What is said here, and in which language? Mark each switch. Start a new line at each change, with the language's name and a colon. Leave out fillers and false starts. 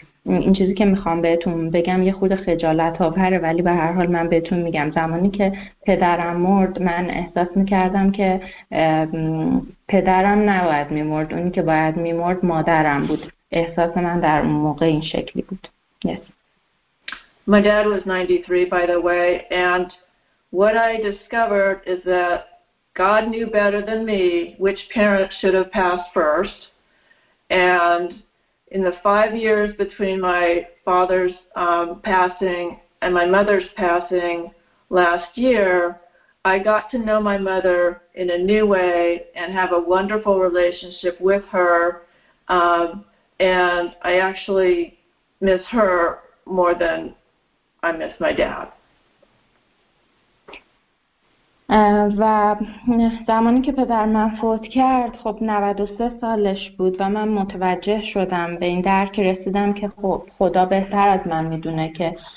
Persian: این چیزی که میخوام بهتون بگم یه خورده خجالت آوره، ولی به هر حال من بهتون میگم، زمانی که پدرم مرد، من احساس میکردم که پدرم نباید میمرد، اونی که باید میمرد مادرم بود. احساس من در اون موقع این شکلی بود.
English: Yes. My dad was 93, by the way, and what I discovered is that God knew better than me which parent should have passed first. And in the 5 years between my father's passing and my mother's passing last year, I got to know my mother in a new way and have a wonderful relationship with her. And I actually miss her more than I miss my dad.
Persian: و زمانی که پدر من فوت کرد خب 93 سالش بود و من متوجه شدم به این درک رسیدم که خب خدا بهتر از من میدونه که